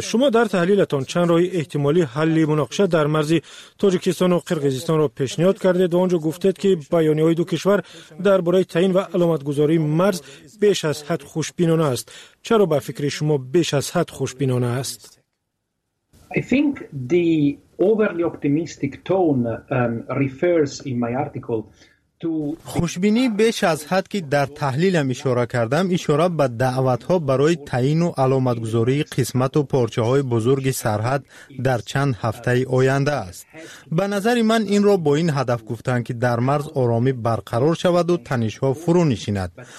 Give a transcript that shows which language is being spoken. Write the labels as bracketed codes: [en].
[fa] شما در تحلیلتان چند راه احتمالی حل مناقشه در مرز تاجیکستان و قرقیزستان را پیشنهاد کردید و آنجا گفتید که بیانیه های دو کشور درباره تعیین و علامت گذاری مرز بیش از حد خوشبینانه است. چرا به فکر شما بیش از حد خوشبینانه است؟ [en] I think the overly optimistic tone refers in my article [fa] خوشبینی بیش از حد که در تحلیلم اشاره کردم اشاره به دعوت ها برای تعیین و علامت گذاری قسمت و پارچه های بزرگ سرحد در چند هفته آینده است. به نظر من این را با این هدف گفتند که در مرز آرامی برقرار شود و تنش ها فرو نشیند.